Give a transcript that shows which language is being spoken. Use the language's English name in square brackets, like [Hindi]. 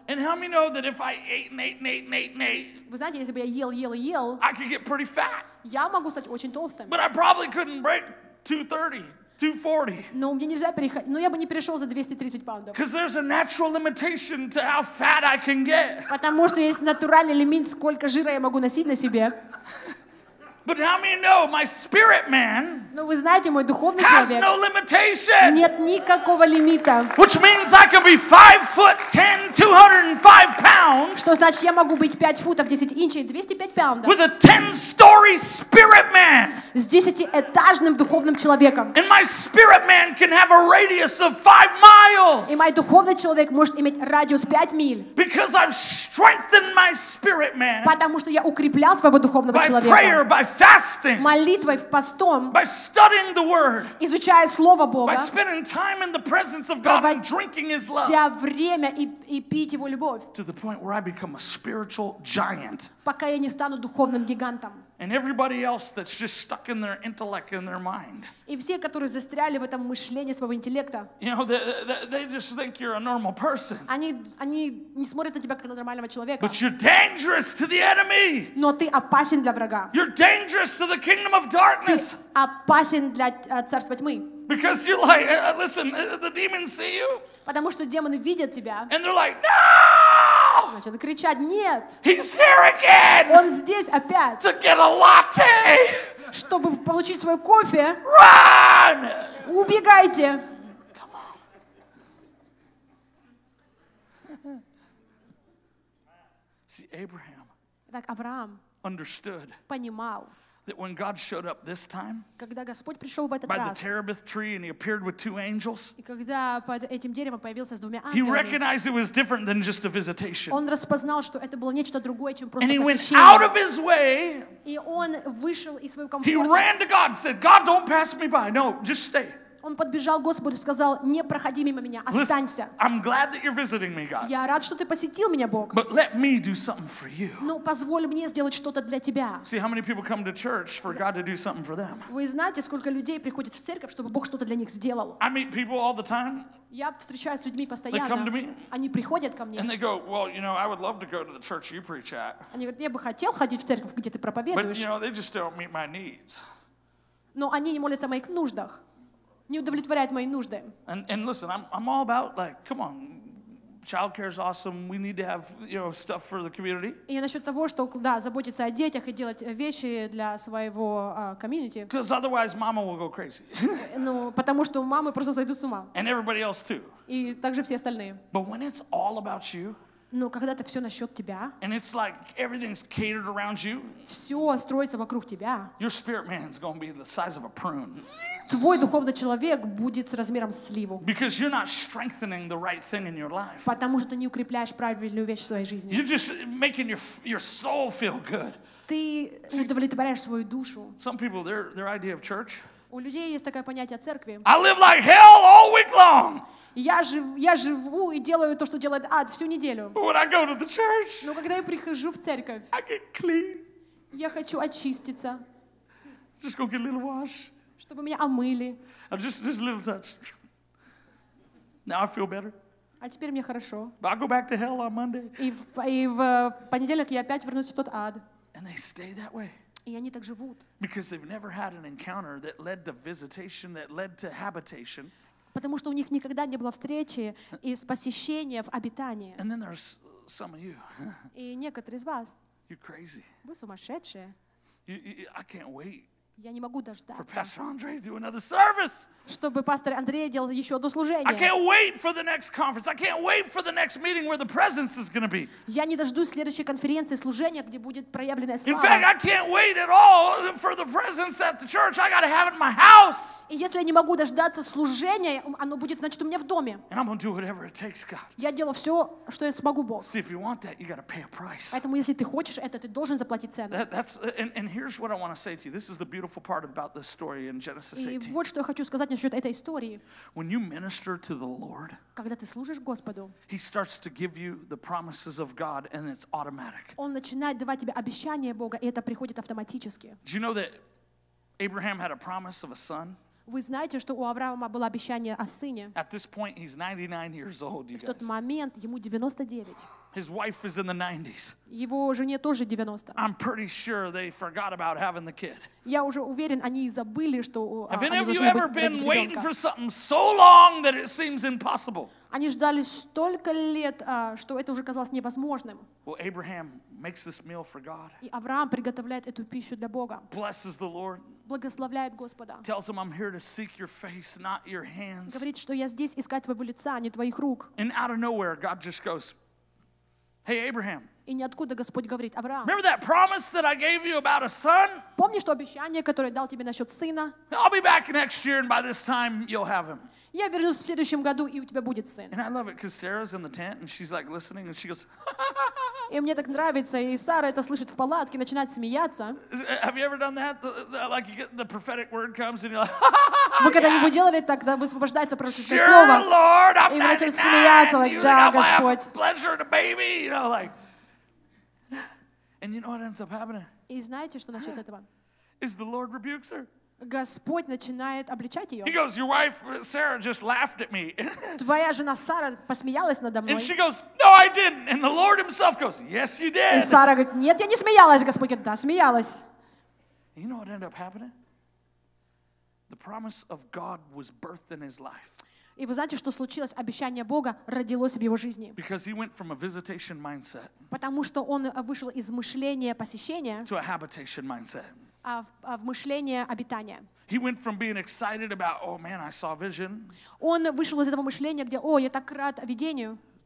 [English] And how many know that if I ate and ate and ate and ate and ate? [Russian] Вы знаете, если бы я ел, [English] I could get pretty fat. [Russian] Я могу стать очень толстым. [English] But I probably couldn't break 230. 240. [Russian] Но мне нельзя переходить. Но я бы не перешел за 230 паундов. [English] Because there's a natural limitation to how fat I can get. [Russian] Потому что есть натуральный лимит, сколько жира я могу носить на себе. [English] But how many know my spirit man? [Russian] Но вы знаете, мой духовный человек. [English] Has no limitation. [Russian] Нет никакого лимита. [English] Which means I can be 5'10", 205 pounds. [Russian] Что значит, я могу быть 5 футов 10 инчей, 205 паундов. [English] With a 10-story spirit man. [Russian] С десятиэтажным духовным человеком. [English] And my spirit man can have a radius of 5 miles. [Russian] И мой духовный человек может иметь радиус 5 миль. [English] Because I've strengthened my spirit man. [Russian] Потому что я укреплял своего духовного человека. [English] Fasting, [Russian] молитвой, постом, [English] by studying the word, [Russian] изучая слово Бога, [English] by spending time in the presence of God, and drinking His love, [Russian] проводя время и пить Его любовь, [English] to the point where I become a spiritual giant, [Russian] пока я не стану духовным гигантом. [English] And everybody else that's just stuck in their intellect and their mind. [Russian] И все, которые застряли в этом мышлении своего интеллекта. [English] You know, they just think you're a normal person. [Russian] Они не смотрят на тебя как на нормального человека. [English] But you're dangerous to the enemy. [Russian] Но ты опасен для врага. [English] You're dangerous to the kingdom of darkness. [Russian] Ты опасен для царства тьмы. [English] Because you're like, listen, the demons see you. [Russian] Потому что демоны видят тебя. [English] And they're like, no! [Russian] Начал кричать, нет. [English] He's here again. [Russian] Он здесь опять. [English] To get a latte. [Russian] Чтобы получить свой кофе. [English] Run! [Russian] Убегайте. [English] Come on. See, Abraham, like Abraham understood [Russian] понимал, [English] that when God showed up this time by [Russian] раз, [English] the terebinth tree and he appeared with two angels, [Russian] ангелами, [English] he recognized it was different than just a visitation. [Russian] Другое, [English] and [Russian] посещение. [English] He went out of his way. He ran to God and said, God, don't pass me by. No, just stay. [Russian] Он подбежал к Господу и сказал, не проходи мимо меня, останься. [English] I'm glad that you're visiting me, God. [Russian] Я рад, что ты посетил меня, Бог. [English] But let me do something for you. [Russian] Но позволь мне сделать что-то для тебя. [English] See how many people come to church for God to do something for them. [Russian] Вы знаете, сколько людей приходит в церковь, чтобы Бог что-то для них сделал? [English] I meet people all the time. [Russian] Я встречаюсь с людьми постоянно. Они приходят ко мне. [English] And they go, well, you know, I would love to go to the church you preach at. [Russian] Они говорят, я бы хотел ходить в церковь, где ты проповедуешь. [English] But you know, they just don't meet my needs. [Russian] Но они не молятся о моих нуждах. Не удовлетворяет мои нужды. [English] And listen, I'm all about like, come on, child care is awesome. We need to have, you know, stuff for the community. [Russian] И насчет того, что да, заботиться о детях и делать вещи для своего community. [English] Because otherwise, mama will go crazy. [Russian] Ну, потому что мамы просто зайдут с ума. [English] And everybody else too. [Russian] И также все остальные. [English] But when it's all about you. [Russian] Но когда это все насчет тебя. [English] And it's like everything's catered around you. [Russian] Все строится вокруг тебя. [English] Your spirit man's gonna be the size of a prune. [Russian] Твой духовный человек будет с размером сливу. [English] Because you're not strengthening the right thing in your life. [Russian] Потому что ты не укрепляешь правильную вещь в своей жизни. [English] You're just making your soul feel good. [Russian] Ты удовлетворяешь свою душу. [English] Some people, their idea of church. [Russian] У людей есть такое понятие церкви. [English] I live like hell all week long. [Russian] Я живу и делаю то, что делает ад всю неделю. [English] But when I go to the church, [Russian] но когда я прихожу в церковь, [English] I get clean. [Russian] Я хочу очиститься. [English] Just go get a little wash. [Russian] Чтобы меня омыли. [English] Just a little touch. Now I feel better. [Russian] А теперь мне хорошо. [English] But I go back to hell on Monday. [Russian] И в понедельник я опять вернусь в тот ад. [English] And they stay that way. [Russian] И они так живут. [English] Because they've never had an encounter that led to visitation, that led to habitation. [Russian] Потому что у них никогда не было встречи и посещения в обитании. [English] And then there's some of you. [Russian] И некоторые из вас. [English] You're crazy. [Russian] Вы сумасшедшие. [English] I can't wait. [Russian] Я не могу дождаться. [English] For Pastor Andre to do another service. [Russian] Чтобы пастор Андрей делал еще одно служение. [English] I can't wait for the next conference. I can't wait for the next meeting where the presence is going to be. [Russian] Я не дождусь следующей конференции служения, где будет проявленная слава. [English] In fact, I can't wait at all for the presence at the church. I got to have it in my house. [Russian] И если я не могу дождаться служения, оно будет, значит, у меня в доме. [English] And I'm going to do whatever it takes, God. [Russian] Я делаю все, что я смогу, Бог. [English] See, if you want that, you got to pay a price. [Russian] Поэтому, если ты хочешь это, ты должен заплатить цену. [English] And here's what I want to say to you. This is the beautiful part about this story in Genesis 18. [Russian] И вот что я хочу сказать насчет этой истории. [English] When you minister to the Lord, [Russian] когда ты служишь Господу, [English] He starts to give you the promises of God, and it's automatic. [Russian] Он начинает давать тебе обещания Бога, и это приходит автоматически. [English] Do you know that Abraham had a promise of a son? [Russian] Вы знаете, что у Авраама было обещание о сыне? [English] At this point, he's 99 years old. [Russian] В тот момент ему 99. [English] His wife is in the 90s. [Russian] Его жене тоже 90. [English] I'm pretty sure they forgot about having the kid. [Russian] Я уже уверен, они забыли, что они должны родить ребенка. [English] Have any of you ever been waiting for something so long that it seems impossible? [Russian] Они ждали столько лет, что это уже казалось невозможным. [English] Well, Abraham makes this meal for God. [Russian] И Авраам приготовляет эту пищу для Бога. [English] Blesses the Lord. [Russian] Благословляет Господа. [English] Tells him, I'm here to seek your face, not your hands. [Russian] Говорит, что я здесь искать твоего лица, а не твоих рук. [English] And out of nowhere, God just goes, Hey Abraham. [Russian] И ниоткуда Господь говорит, Авраам. [English] Remember that promise that I gave you about a son? [Russian] Помнишь то обещание, которое дал тебе насчет сына? [English] I'll be back next year, and by this time you'll have him. [Russian] Я вернусь в следующем году, и у тебя будет сын. [English] And I love it because Sarah's in the tent and she's like listening and she goes. [Russian] И мне так нравится, и Сара это слышит в палатке, начинает смеяться. [English] Have you ever done that? Like you get the prophetic word comes and you're like. [Russian] Вы когда-нибудь делали так, когда высвобождается пророческое слово? [English] Sure, Lord, I'm [Russian] 99. И начинает смеяться, like, да, Господь. [English] Pleasure in a baby, you know, like. And you know what ends up happening? [Russian] И знаете, что насчет этого? [English] Is the Lord rebukes her? [Russian] Господь начинает обличать ее. [English] He goes, your wife Sarah just laughed at me. [Russian] Твоя жена Сара посмеялась надо мной. [English] And she goes, no, I didn't. And the Lord Himself goes, yes, you did. [Russian] И Сара говорит, нет, я не смеялась. Господь говорит, да, смеялась. [English] You know what ended up happening? The promise of God was birthed in His life. [Russian] И вы знаете, что случилось? Обещание Бога родилось в его жизни. [English] Because he went from a visitation mindset. [Russian] Потому что он вышел из мышления посещения. [English] To a habitation mindset. [Russian] В мышление обитания. [English] He went from being excited about, oh man, I saw vision. [Russian] Он вышел из этого мышления, где, о, я так рад видению.